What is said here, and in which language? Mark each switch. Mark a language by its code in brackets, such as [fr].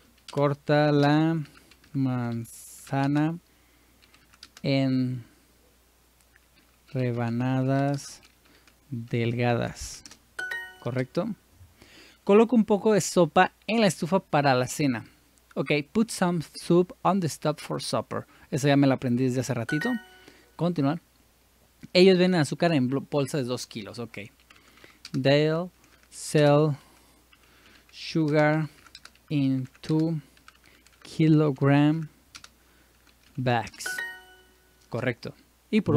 [es] Corta la manzana en rebanadas delgadas. ¿Correcto? Coloca un poco de sopa en la estufa para la cena. [en] Ok, put some soup on the stove for supper. [es] Esa ya me la aprendí desde hace ratito. Continuar. Ellos venden azúcar en bolsas de 2 kilos, ok. [en] They'll sell sugar in 2 kilogram bags. [es] Correcto. Y por